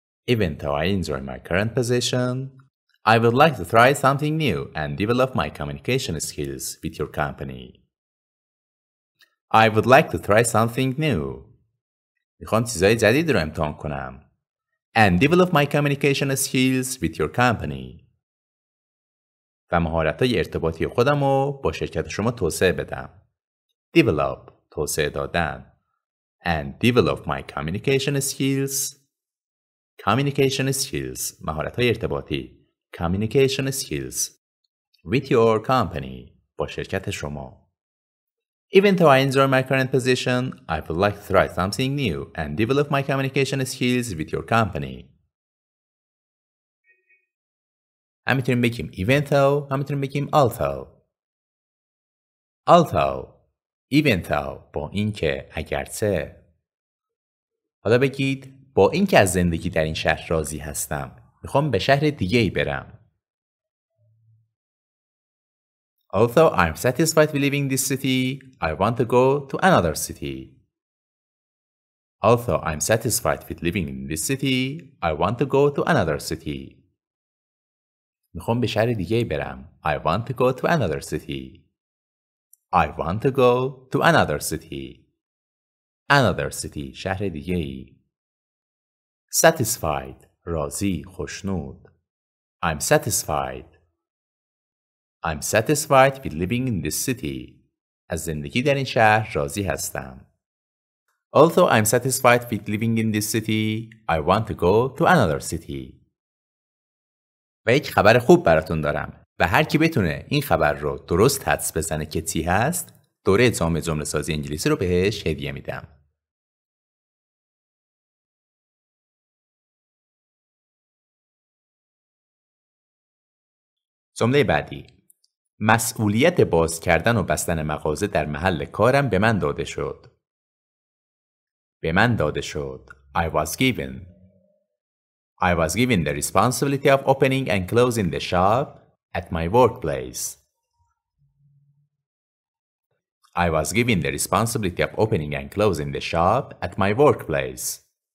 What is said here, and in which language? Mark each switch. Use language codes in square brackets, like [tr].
[en] Even though I enjoy my current position, I would like to try something new and develop my communication skills with your company. I would like to try something new. [fa] میخوام چیزای جدید رو امتحان کنم. [en] And develop my communication skills with your company. [fa] و مهارت‌های ارتباطی خودم رو با شرکت شما توسعه بدم. [en] Develop، [fa] توسعه دادن. [en] And develop my communication skills، [fa] مهارت‌های ارتباطی. [en] Communication skills with your company، [fa] با شرکت شما. [en] Even though I enjoy my current position, I would like to try something new and develop my communication skills with your company. [fa] هم میتونیم بگیم [en] even though، [fa] هم میتونیم بگیم although. [en] Although، even though، [fa] با اینکه، اگرچه. حالا بگید با اینکه از زندگی در این شهر راضی هستم، میخوام به شهر دیگه ای برم. [en] Although I'm satisfied with leaving this city, I want to go to another city. Although I'm satisfied with living in this city, I want to go to another city. [fa] میخوام به شهر دیگه برم. [en] I want to go to another city. I want to go to another city. Another city، [fa] شهر دیگه ای. [en] Satisfied، [fa] راضی، خوشنود. [en] I'm satisfied. I'm satisfied with living in this city. [fa] از زندگی در این شهر راضی هستم. [en] Although I'm satisfied with living in this city, I want to go to another city. [fa] و یک خبر خوب براتون دارم. و هر کی بتونه این خبر رو درست حدس بزنه که چی هست، دوره اعزام جمله سازی انگلیسی رو بهش هدیه میدم. جمله بعدی. مسئولیت باز کردن و بستن مغازه در محل کارم به من داده شد. به من داده شد. [en] I was given. I was given the responsibility of opening and closing the shop at my workplace. I was given the responsibility of opening and closing the shop at my workplace.